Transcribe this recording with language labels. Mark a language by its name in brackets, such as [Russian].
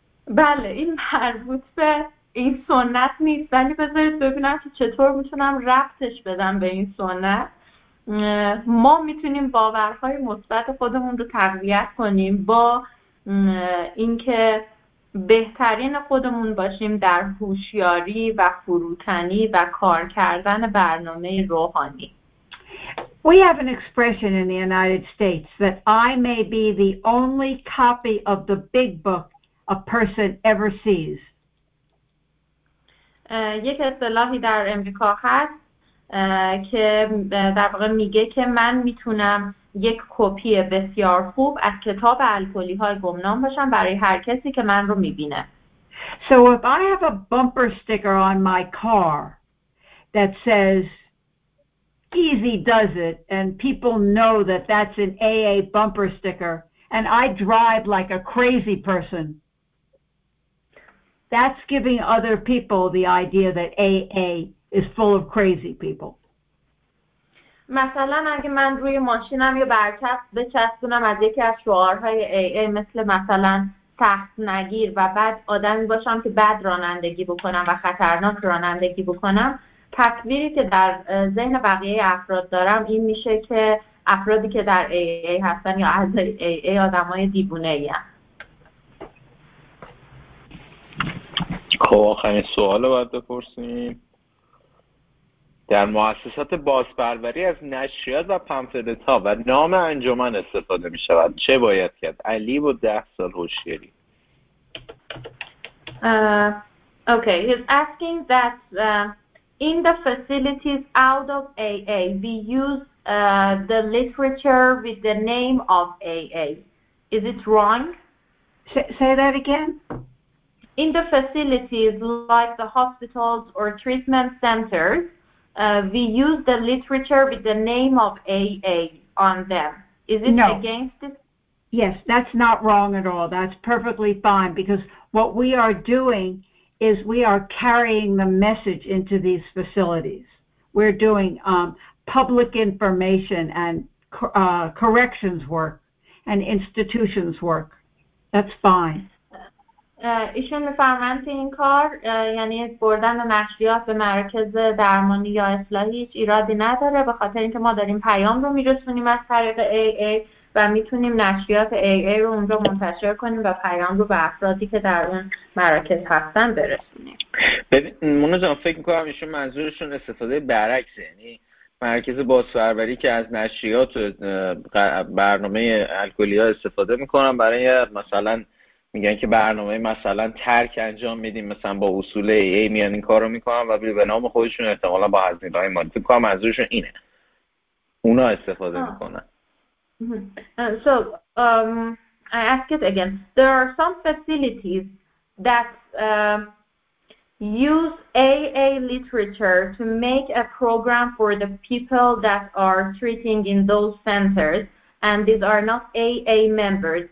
[Persian] بله این مربوط به این سنت نیست، ولی بذارید ببینم که چطور میتونم ربطش بدم به این سنت. ما میتونیم باورهای مثبت خودمون رو تقویت کنیم با اینکه بهترین خودمون باشیم در هوشیاری و فروتنی و کار کردن برنامه روحانی. [English] We have an expression in the United States that I may be the only copy of the big book a person ever sees. [Persian] یک اصطلاحی در امریکا هست که در واقع میگه که من میتونم یک کپی بسیار خوب از کتاب الکلی های گمنام باشم برای هر کسی که من رو میبینه. [English] So if I have a bumper sticker on my car that says easy does it and people know that that's an AA bumper sticker and I drive like a crazy person, that's giving other people the idea that AA is full of crazy people. [Persian] مثلا اگه من روی ماشینم یه برچسب بچسبونم از یکی از شعارهای AA مثل مثلا سخت نگیر و بعد آدمی باشم که بد رانندگی بکنم و خطرناک رانندگی بکنم، تصویری که در ذهن بقیه افراد دارم این میشه که افرادی که در AA هستن یا از AA آدمای دیوونه ای هستن. خب آخرین سوال رو باید بپرسیم. در مؤسسات بازپروری از نشریات و پمفلت ها و نام انجمن استفاده می شود، چه باید کرد؟ علی با 10 سال هوشیاری. [English] Okay, he's asking that in the facilities out of AA we use the literature with the name of AA. Is it wrong? Say that again. In the facilities, like the hospitals or treatment centers, we use the literature with the name of AA on them. Is it no. against it? Yes, that's not wrong at all. That's perfectly fine, because what we are doing is we are carrying the message into these facilities. We're doing public information and corrections work and institutions work. That's fine. [Persian] ایشون میفرمند که این کار یعنی بردن نشریات به مرکز درمانی یا اصلاحی هیچ ایرادی نداره، به خاطر اینکه ما داریم پیام رو میرسونیم از طریق AA و میتونیم نشریات AA رو اونجا منتشر کنیم و پیام رو به افرادی که در اون مرکز هستن برسونیم. ببین مونو جان، فکر میکنم ایشون منظورشون استفاده برعکسه، یعنی مرکز بازپروری که از نشریات و برنامه الکلی ها استفاده میکنن برای مثلا میگن که برنامه مثلا ترک انجام میدیم مثلا با اصول AA میان این کارو میکنن و به نام خودشون احتمالا با هزینه‌های مالی تو کام از روشون اینه اونا استفاده میکنن. [English] So I ask it again. There are some facilities that use AA literature to make a program for the people that are treating in those centers and these are not AA members.